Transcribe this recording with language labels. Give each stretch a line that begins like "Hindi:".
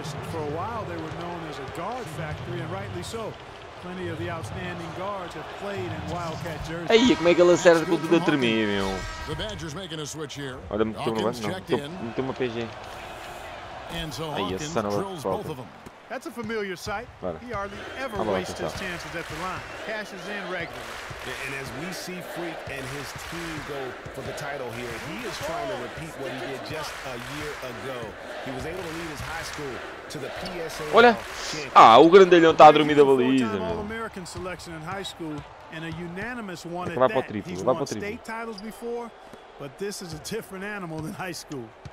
English: For a while they were known as a guard factory, and rightly so. Plenty of the outstanding guards have played in Wildcat jerseys.
Portuguese: Aí, como é que ele acerta com tudo a tremer, meu?
English: The Badgers making a switch here.
Portuguese: Olha, meteu uma base, não. Meteu uma PG.
English: Aí, a son of a problem. That's a familiar sight. Bora. He hardly ever wastes his chances at the line. Cashes in regularly. And as we see Freak and his team go for the title here, he is trying to repeat what he did just a year ago. He was able to lead his high school to the PSA. Olha.
Portuguese: Ah, o grandelhão está a dormir da baliza, meu.
English: All-American selection in high school and a unanimous one at that. He's won state titles before, but this is a different animal than high school.